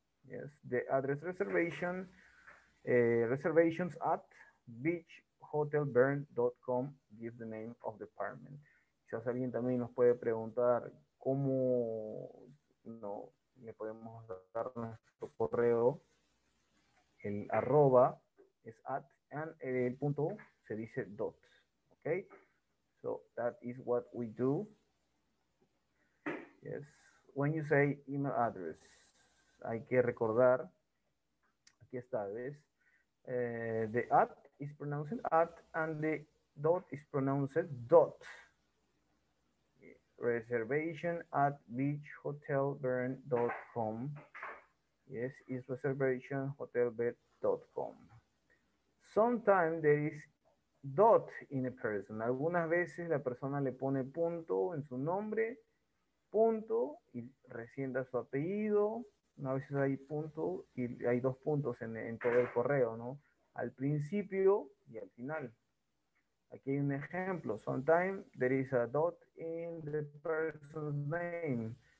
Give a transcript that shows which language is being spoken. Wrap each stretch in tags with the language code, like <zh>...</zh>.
<en>Yes, the address reservation, reservations at beachhotelbern.com, give the name of the apartment.</en> <es>Quizás alguien también nos puede preguntar cómo no le podemos dar nuestro correo. El arroba es at, and el punto se dice dot. Ok.</es> <en>So that is what we do. Yes. When you say email address,</en> <es>hay que recordar. Aquí está, ¿ves?</es> <en>The at is pronounced at and the dot is pronounced dot. Reservation at beachhotelbern.com. Yes, is reservation hotelbern.com. Sometimes there is dot in a person.</en> <es>Algunas veces la persona le pone punto en su nombre, punto y recién da su apellido. A veces hay punto y hay dos puntos en todo el correo, ¿no? Al principio y al final. Aquí hay un ejemplo.</es> <en>Sometimes there is a dot in the person's name.</en>